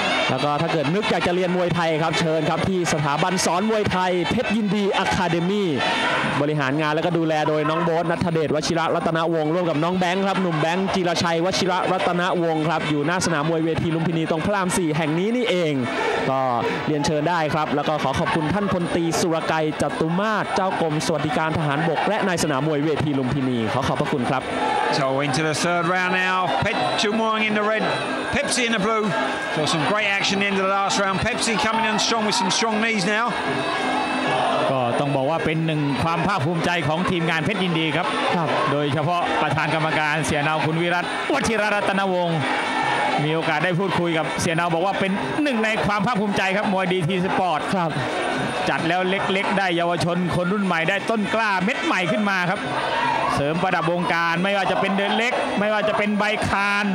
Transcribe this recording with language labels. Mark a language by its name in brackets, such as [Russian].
[Thai] แล้วก็ถ้าเกิดนึกอยากจะเรียนมวยไทยครับเชิญครับที่สถาบันสอนมวยไทยเพชรยินดีอะคาเดมี่บริหารงานแล้วก็ดูแลโดยน้องโบ๊ทณัฐเดชวชิระรัตนวงศ์ร่วมกับน้องแบงค์ครับหนุ่มแบงค์จิรชัยวชิระรัตนวงศ์ครับอยู่หน้าสนามมวยเวทีลุมพินีตรงพระราม4แห่งนี้นี่เองก็เรียนเชิญได้ครับแล้วก็ขอขอบคุณท่านพลตรีสุรไกรจตุมาศเจ้ากรมสวัสดิการทหารบกและนายสนามมวยเวทีลุมพินีขอขอบพระคุณครับ [English] So into the third round now Pechumong in the red Pepsi in the blue for some greataction into the last round Pepsi coming in strong with some strong knees now [Thai] ก็ต้องบอกว่าเป็นหนึ่งความภาคภูมิใจของทีมงานเพชรยินดีครับ ครับ โดยเฉพาะประธานกรรมการเสียเนาคุณวิรัตวชิรรัตนวงศ์มีโอกาสได้พูดคุยกับเสียเนาบอกว่าเป็นหนึ่งในความภาคภูมิใจครับมวยดีทีสปอร์ต ครับ จัดแล้วเล็กๆได้เยาวชนคนรุ่นใหม่ได้ต้นกล้าเม็ดใหม่ขึ้นมาครับเสริมประดับวงการไม่ว่าจะเป็นเดินเล็กไม่ว่าจะเป็นใบคาน